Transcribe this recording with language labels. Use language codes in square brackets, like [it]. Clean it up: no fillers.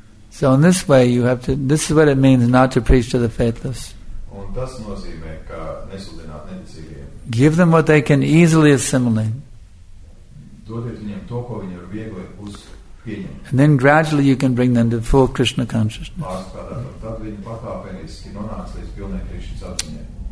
[en] So in this way, you have to, this is what it means not to preach to the faithless. [lv] Un tas nozīmē, ka nesludināt neticīgiem. [en] Give them what they can easily assimilate. [lv] Dodiet viņiem to, ko viņi var viegli uzpieņemt. [en] And then gradually you can bring them to full Krishna consciousness. [lv] Tad viņi pakāpeniski nonāks līdz pilnai Krishna apziņai.